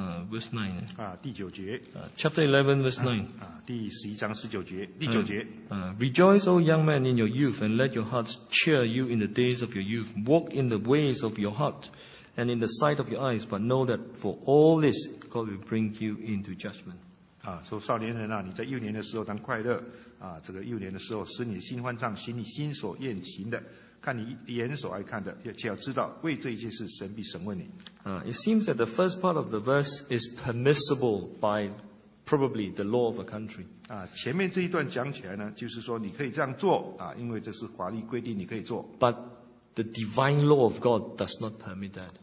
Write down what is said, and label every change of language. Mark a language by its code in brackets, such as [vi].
[en] Verse 9. Chapter 11, verse 9. [zh] 第十一章十九节，第九节。 [en] Rejoice, O young man, in your youth, and let your hearts cheer you in the days of your youth. Walk in the ways of your heart, and in the sight of your eyes, but know that for all this, God will bring you into judgment. [zh] 说少年人你在幼年的时候当快乐，这个幼年的时候使你心欢畅，行你心所厌行的。看你眼所爱看的，且要知道为这一件事，神必审问你。 [en] It seems that the first part of the verse is permissible by probably the law of a country. [zh] 前面这一段讲起来呢，就是说你可以这样做因为这是法律规定，你可以做。 [en] But the divine law of God does not permit that.